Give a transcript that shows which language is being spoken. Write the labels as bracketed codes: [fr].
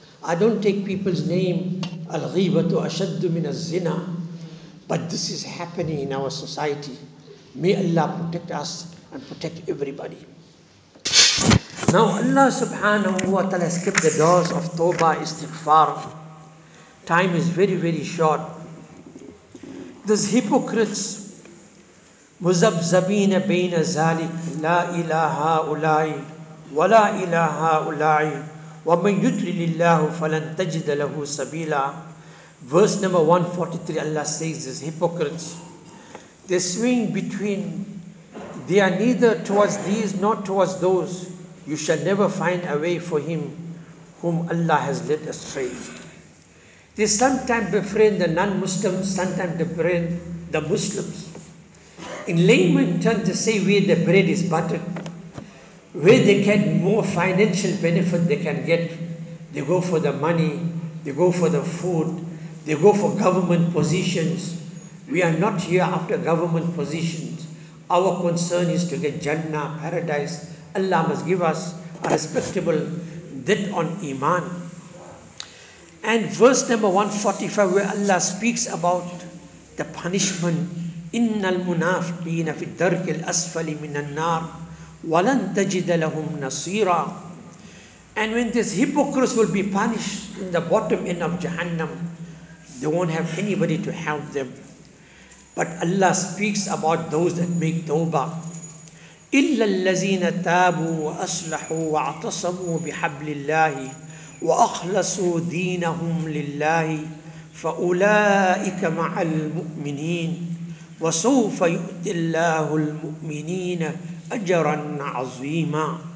[en] I don't take people's name, [ar] al-ghibatu ashaddu min az-zina, [en] but this is happening in our society. May Allah protect us and protect everybody. Now Allah subhanahu wa ta'ala has kept the doors of tawbah, istighfar. Time is very, very short. These hypocrites, [ar] مُزَبْزَبِينَ بَيْنَ ذَلِكَ لَا إِلَهَا أُولَاءِ وَلَا إِلَهَا أُولَاءِ وَمَنْ يُدْلِلِ اللَّهُ فَلَنْ تَجِدَ لَهُ سَبِيلًا. [en] Verse number 143, Allah says this, hypocrites, they swing between, they are neither towards these nor towards those, you shall never find a way for him whom Allah has led astray. They sometimes befriend the non-Muslims, sometimes befriend the Muslims. In layman terms, to say where the bread is buttered, where they get more financial benefit they can get, they go for the money, they go for the food, they go for government positions. We are not here after government positions. Our concern is to get Jannah, paradise. Allah must give us a respectable debt on Iman. And verse number 145, where Allah speaks about the punishment, [ar] إِنَّ الْمُنَافِقِينَ فِي الدَّرْكِ الْأَسْفَلِ مِنَ النَّارِ وَلَن تَجِدَ لَهُمْ نَصِيرًا. [en] And when these hypocrites will be punished in the bottom end of Jahannam, they won't have anybody to help them. But Allah speaks about those that make tawbah. [ar] إِلَّا الَّذِينَ تَابُوا وَأَصْلَحُوا وَاعْتَصَمُوا بِحَبْلِ اللَّهِ وَأَخْلَصُوا دِينَهُمْ لِلَّهِ فَأُولَٰئِكَ مَعَ الْمُؤْمِنِينَ وَسَوْفَ يُؤْتِ اللَّهُ الْمُؤْمِنِينَ أَجْرًا عَظِيمًا.